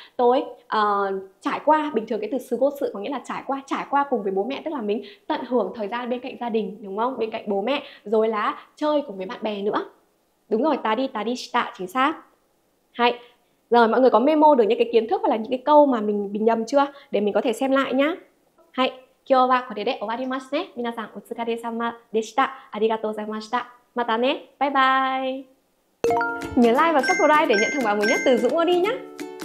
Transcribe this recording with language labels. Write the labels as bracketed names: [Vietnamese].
[Vietnamese] Tôi trải qua, bình thường cái từ sư vô sự có nghĩa là trải qua cùng với bố mẹ, tức là mình tận hưởng thời gian bên cạnh gia đình, đúng không? Bên cạnh bố mẹ. Rồi là chơi cùng với bạn bè nữa. Đúng rồi, ta đi shita, chính xác. Hay. Rồi mọi người có memo được những cái kiến thức hoặc là những cái câu mà mình bị nhầm chưa? Để mình có thể xem lại nhá. Hay. [Japanese] 今日はこれで終わりますね。皆さんお疲れ様でした。ありがとうございました。またね。バイバイ。 [Vietnamese] Nhớ like và subscribe để nhận thông báo mới nhất từ Dũng Audio nhé.